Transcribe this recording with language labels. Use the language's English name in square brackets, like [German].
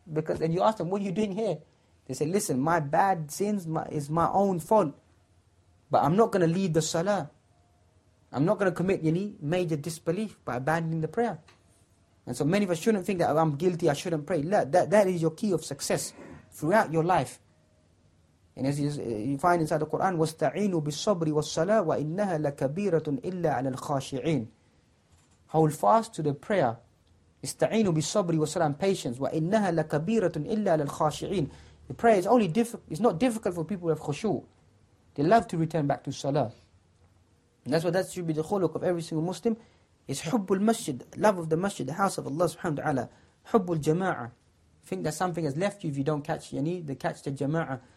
[English] Because then you ask them, what are you doing here? They say, listen, my bad sins is my own fault. But I'm not going to leave the salah. I'm not going to commit any major disbelief by abandoning the prayer. And so many of us shouldn't think that I'm guilty, I shouldn't pray. La, that is your key of success. throughout your life. And as you find inside the Quran, [Arabic] وَاسْتَعِينُوا بِالصَّبْرِ وَالصَّلَاةِ وَإِنَّهَا لَكَبِيرَةٌ إِلَّا عَلَى الْخَاشِعِينَ. Hold fast to the prayer. اِسْتَعِينُوا بِالصَّبْرِ وَالصَّلَاةِ [English] and patience. [Arabic] وَإِنَّهَا لَكَبِيرَةٌ إِلَّا عَلَى الْخَاشِعِينَ. [English] The prayer is only it's not difficult for people who have khushu. They love to return back to salah. And that's what that should be the khuluq of every single Muslim. It's [Arabic] حُبُّ الْمَسْجِد, [English] love of the masjid, the house of Allah subhanahu wa ta'ala. [Arabic] حُبُّ الْجَمَاعَةِ, [English] think that something has left you if you don't catch catch the jama'ah.